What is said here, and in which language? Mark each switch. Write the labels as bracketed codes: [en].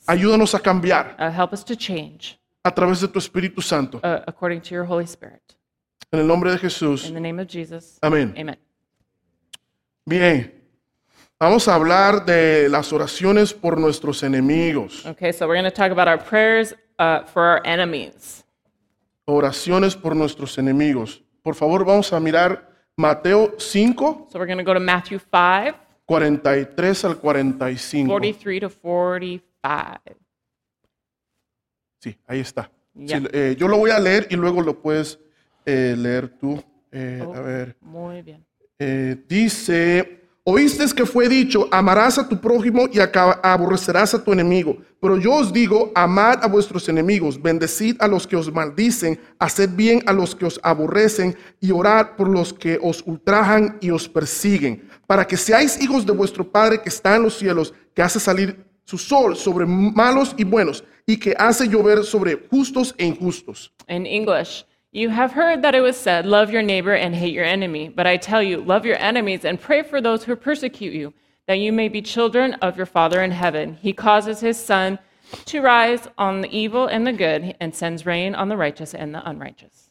[es] ayúdanos a cambiar, [en] help us to change, [es] a través de tu Espíritu Santo, [en] according to your Holy Spirit. [es] En el nombre de Jesús, [en] in the name of Jesus, [es] amén. [en] Amen. [es] Bien, vamos a hablar de las oraciones por nuestros enemigos. [en] Okay, so we're going to talk about our prayers for our enemies. [es] Oraciones por nuestros enemigos. Por favor, vamos a mirar Mateo 5. [en] So we're going to go to Matthew 5. [es] 43 al 45. [en] 43 to 45. [es] Sí, ahí está. [en] Yeah. [es] Sí, yo lo voy a leer y luego lo puedes leer tú. A ver. Muy bien. Dice, oísteis que fue dicho, amarás a tu prójimo y aborrecerás a tu enemigo. Pero yo os digo, amad a vuestros enemigos, bendecid a los que os maldicen, haced bien a los que os aborrecen y orad por los que os ultrajan y os persiguen. Para que seáis hijos de vuestro Padre que está en los cielos, que hace salir su sol sobre malos y buenos, y que hace llover sobre justos e injustos. [en] In English, you have heard that it was said, love your neighbor and hate your enemy. But I tell you, love your enemies and pray for those who persecute you, that you may be children of your Father in heaven. He causes his sun to rise on the evil and the good and sends rain on the righteous and the unrighteous.